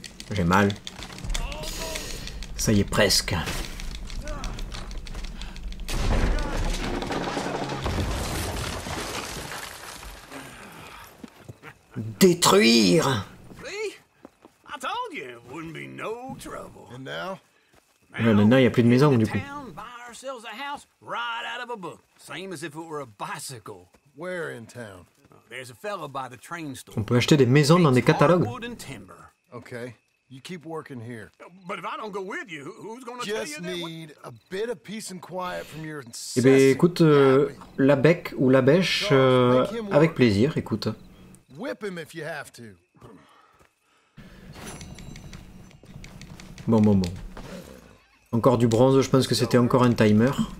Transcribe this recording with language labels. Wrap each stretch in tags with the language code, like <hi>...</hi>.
<fr>J'ai mal. Ça y est, presque. Détruire.</fr> <en>See? I told you it wouldn't be no trouble. And now?</en> <fr>Maintenant, il n'y a plus de maison, du coup.</fr> <en>Town, buy ourselves a house right out of a book. Same as if it were a bicycle. Where in town? There's a fellow by the train store.</en> <fr>On peut acheter des maisons dans des catalogues.</fr> <en>Hardwood and timber. Okay. You keep working here. But if I don't go with you, who's going to tell you that? Just need a bit of peace and quiet from your incessant.</en> <fr>Eh ben écoute, la bec ou la bêche, avec plaisir, écoute.</fr> <en>Whip him if you have to.</en> <fr>Bon, bon, bon. Encore du bronze, je pense que c'était encore un timer.</fr>